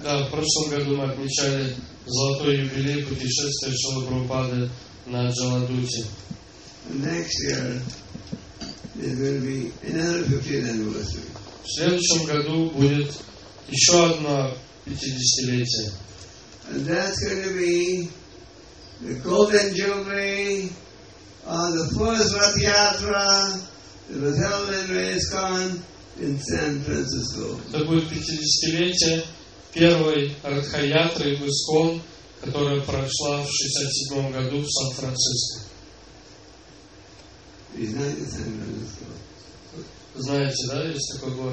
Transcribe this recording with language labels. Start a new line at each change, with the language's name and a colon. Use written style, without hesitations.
Russian: Да, в прошлом году мы отмечали золотой юбилей путешествия Шрилы Прабхупады на Джаладуте.
English: Next year there will be another 50th anniversary.
Russian: В следующем году будет еще одно 50-летие.
English: And that's going to be the Golden Jubilee of the first Rath Yatra that was held in ISKCON in San Francisco.
Russian: Это будет 50-летие первой Радха-Ятры в ИСКОН, которая прошла в 67 году в Сан-Франциско. Знаете Сан-Франциско? Знаете, да, есть такой город